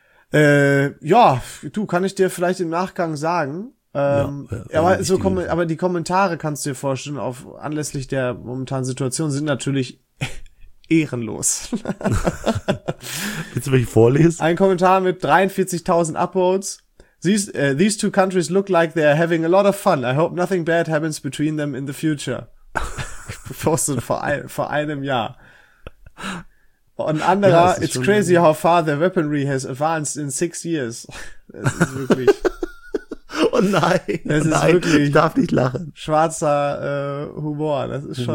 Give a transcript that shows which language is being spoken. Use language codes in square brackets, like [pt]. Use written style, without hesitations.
[de] Kann ich dir vielleicht im Nachgang sagen. Aber die Kommentare kannst du dir vorstellen, auf anlässlich der momentanen Situation, sind natürlich ehrenlos. Willst du welche vorlesen? Ein Kommentar mit 43.000 Upvotes. [en] These two countries look like they're having a lot of fun. I hope nothing bad happens between them in the future. [de] Posted vor einem Jahr. Und anderer, ja, [en] it's crazy how far the weaponry has advanced in 6 years. [de] Es ist wirklich. Oh nein, ich darf nicht lachen. Schwarzer Humor, das ist Humor.